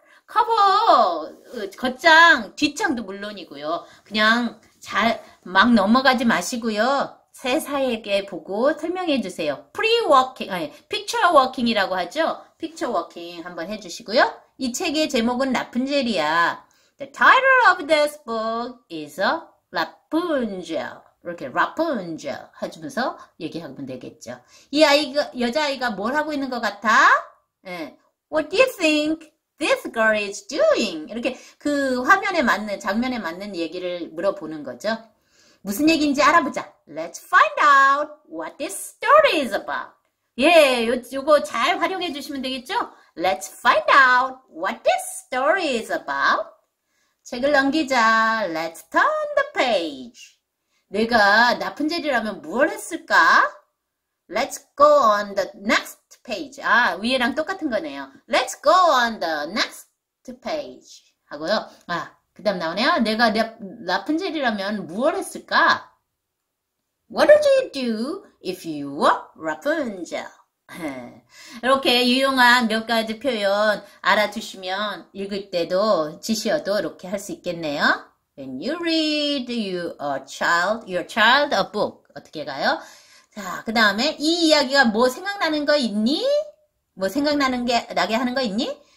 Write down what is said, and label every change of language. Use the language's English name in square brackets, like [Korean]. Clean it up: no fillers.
[Korean] 커버, 겉장, 뒷장도 물론이고요. 그냥 잘막 넘어가지 마시고요. 세세하게 보고 설명해 주세요. Picture walking이라고 하죠? Picture walking 한번 해 주시고요. 이 책의 제목은 라푼젤이야. [English] The title of this book is a Rapunzel. [Korean] 이렇게 라푼젤 해주면서 얘기하면 되겠죠. 이 아이가 여자아이가 뭘 하고 있는 것 같아? 예. [English] What do you think this girl is doing? [Korean] 이렇게 그 화면에 맞는 장면에 맞는 얘기를 물어보는 거죠. 무슨 얘기인지 알아보자. [English] Let's find out what this story is about. [Korean] 예, 요거 잘 활용해 주시면 되겠죠? [English] Let's find out what this story is about. [Korean] 책을 넘기자. [English] Let's turn the page. [Korean] 내가 라푼젤이라면 뭘 했을까? [English] Let's go on the next page. [Korean] 아, 위에랑 똑같은 거네요. [English] Let's go on the next page. 하고요. [Korean] 아, 그 다음 나오네요. 내가 라푼젤이라면 뭘 했을까? [English] What would you do if you were Rapunzel? [Korean] 이렇게 유용한 몇 가지 표현 알아두시면 읽을 때도 지시어도 이렇게 할수 있겠네요. [English] When you read your child a book. [Korean] 어떻게 가요? 자, 그 다음에 이 이야기가 뭐 생각나는 거 있니? 뭐 생각나는 게, 나게 하는 거 있니?